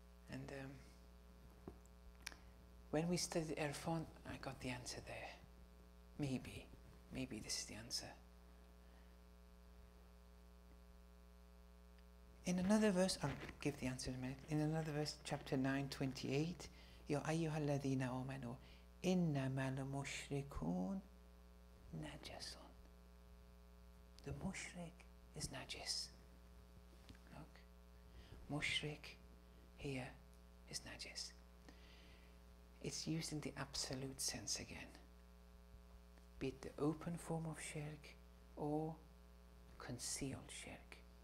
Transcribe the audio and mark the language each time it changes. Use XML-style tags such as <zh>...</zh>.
<en>And when we studied Irfan, I got the answer there. Maybe this is the answer. In another verse, I'll give the answer in a minute. In another verse, chapter 9:28,</en> <ar>يَا أَيُّهَا الَّذِينَ آمَنُوا إِنَّمَا الْمُشْرِكُونَ نَجَسٌ.</ar> <en>The mushrik is najis. Look, mushrik here is najis. It's used in the absolute sense again, be it the open form of shirk or concealed shirk.</en>